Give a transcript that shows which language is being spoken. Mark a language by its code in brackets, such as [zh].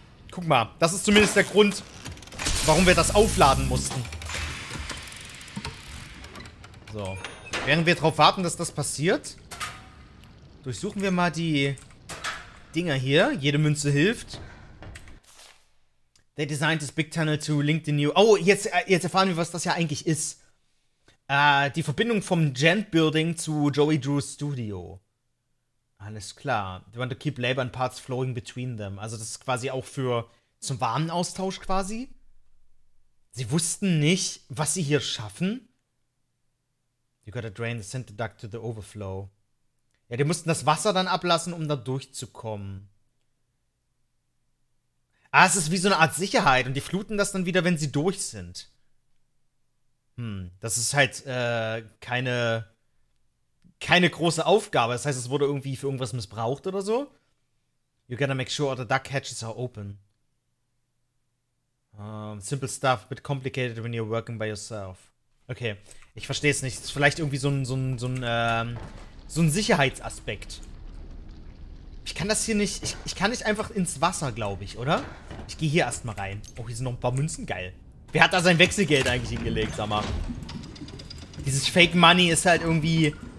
[de] Guck mal, das ist zumindest der Grund, warum wir das aufladen mussten. So, während wir darauf warten, dass das passiert, durchsuchen wir mal die Dinger hier. Jede Münze hilft. [en] They designed this big tunnel to link the new... [de] Oh, jetzt erfahren wir, was das ja eigentlich ist. Die Verbindung vom Gent-Building zu Joey Drews Studio. Alles klar. [en] They want to keep labor and parts flowing between them. [de] Also das ist quasi auch für zum Warenaustausch quasi. Sie wussten nicht, was sie hier schaffen. [en] You gotta drain the center duct to the overflow. [de] Ja, die mussten das Wasser dann ablassen, um da durchzukommen. Ah, es ist wie so eine Art Sicherheit und die fluten das dann wieder, wenn sie durch sind. Das ist halt keine große Aufgabe. Das heißt, es wurde irgendwie für irgendwas missbraucht oder so. [en] You gotta make sure all the duct hatches are open. Simple stuff, bit complicated when you're working by yourself. [de] Okay, ich verstehe es nicht. Das ist vielleicht irgendwie so ein Sicherheitsaspekt. Ich kann das hier nicht... Ich kann nicht einfach ins Wasser, glaube ich, oder? Ich gehe hier erstmal rein. Oh, hier sind noch ein paar Münzen. Geil. Wer hat da sein Wechselgeld eigentlich hingelegt, sag mal? Dieses Fake Money ist halt irgendwie...